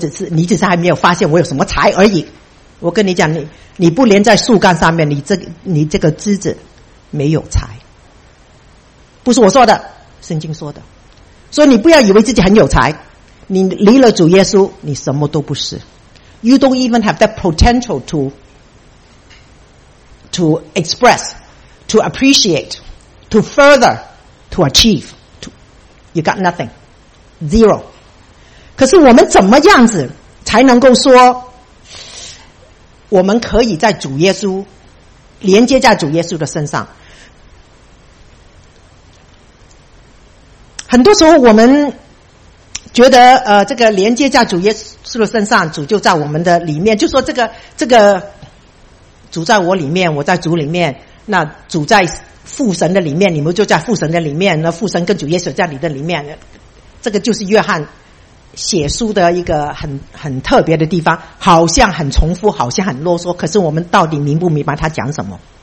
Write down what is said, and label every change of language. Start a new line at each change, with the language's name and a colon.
Chinese: 你只是还没有发现我有什么才而已。我跟你讲，你不连在树干上面，你这个枝子没有才，不是我说的，圣经说的。所以你不要以为自己很有才，你离了主耶稣，你什么都不是。
English: You don't even have the potential to express, to appreciate, to further, to achieve. You got nothing, zero.
Chinese: 可是我们怎么样子才能够说我们可以在主耶稣，连接在主耶稣的身上？很多时候我们觉得这个连接在主耶稣的身上，主就在我们的里面，就说这个主在我里面，我在主里面，那主在父神的里面，你们就在父神的里面，那父神跟主耶稣在你的里面，这个就是约翰写书的一个很特别的地方，好像很重复，好像很啰嗦，可是我们到底明不明白他讲什么？